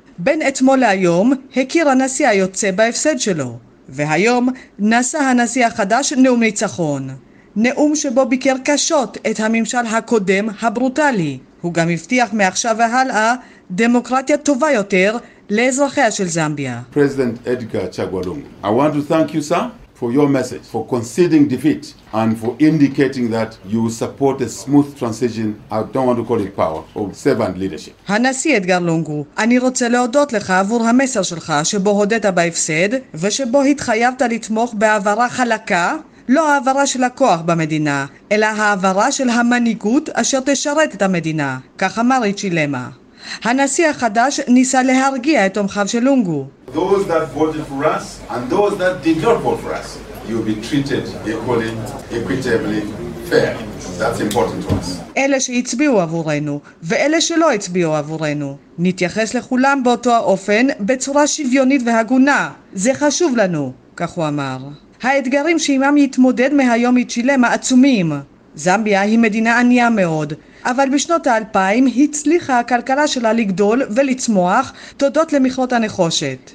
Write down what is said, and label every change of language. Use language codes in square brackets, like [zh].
[he] בין אתמול להיום הכיר הנשיא היוצא בהפסד שלו, והיום נשא הנשיא החדש נאום ניצחון. נאום שבו ביקר קשות את הממשל הקודם הברוטלי. הוא גם הבטיח מעכשיו והלאה דמוקרטיה טובה יותר לאזרחיה של זמביה. [en] President Edgar Chagwa Lungu, I want to thank you, sir, for your message, for conceding defeat, and for indicating that you support a smooth transition. I don't want to call it power, of servant leadership. [he] הנשיא אדגר לונגו, אני רוצה להודות לך עבור המסר שלך שבו הודית בהפסד, ושבו התחייבת לתמוך בעברה חלקה, לא העברה של הכוח במדינה, אלא העברה של המנהיגות אשר תשרת את המדינה. כך אמר ריצ'י למה. הנשיא החדש ניסה להרגיע את תומכיו של לונגו. [en] Those that voted for us and those that did not vote for us, you'll be treated equally, equitably, fair. That's important to us. [he] אלה שהצביעו עבורנו ואלה שלא הצביעו עבורנו, נתייחס לכולם באותו האופן, בצורה שוויונית והגונה. זה חשוב לנו, כך הוא אמר. האתגרים שעימם יתמודד מהיום יצ'ילמה עצומים. זמביה היא מדינה ענייה מאוד, אבל בשנות ה-2000 הצליחה הכלכלה שלה לגדול ולצמוח תודות למכרות הנחושת.